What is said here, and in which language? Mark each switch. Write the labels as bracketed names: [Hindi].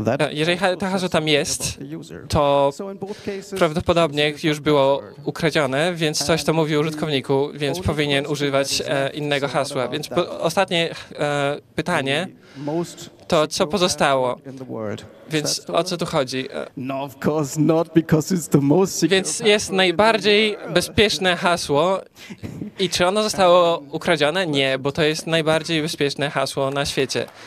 [Polish] Jeżeli to hasło tam jest, to prawdopodobnie już było ukradzione, więc coś to mówi użytkowniku, więc powinien używać innego hasła. Więc ostatnie pytanie to, co pozostało? Więc o co tu chodzi? [English] No, of course not, because it's the most secure. [Polish] Więc jest najbardziej bezpieczne hasło. I czy ono zostało ukradzione? Nie, bo to jest najbardziej bezpieczne hasło na świecie.